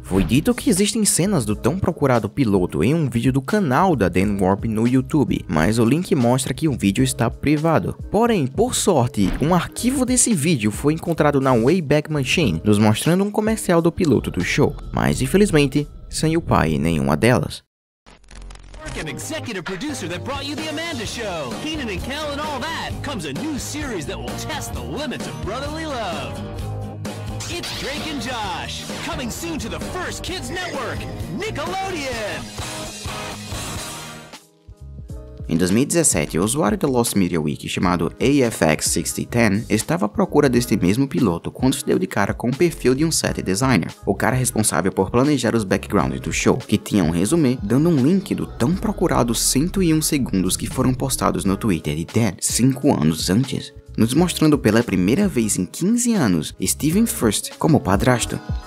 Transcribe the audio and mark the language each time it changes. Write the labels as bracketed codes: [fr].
[pt] Foi dito que existem cenas do tão procurado piloto em um vídeo do canal da Dan Warp no YouTube, mas o link mostra que o vídeo está privado. Porém, por sorte, um arquivo desse vídeo foi encontrado na Wayback Machine, nos mostrando um comercial do piloto do show, mas infelizmente, sem o pai e nenhuma delas. [en] An executive producer that brought you The Amanda Show, Kenan and Kel and all that, comes a new series that will test the limits of brotherly love. It's Drake and Josh, coming soon to the first kids network, Nickelodeon! [pt] Em 2017, o usuário da Lost Media Wiki chamado AFX6010 estava à procura deste mesmo piloto quando se deu de cara com o perfil de um set designer, o cara responsável por planejar os backgrounds do show, que tinha um resumê dando um link do tão procurado 101 segundos que foram postados no Twitter de Dan 5 anos antes, nos mostrando pela primeira vez em 15 anos Stephen Furst como padrasto.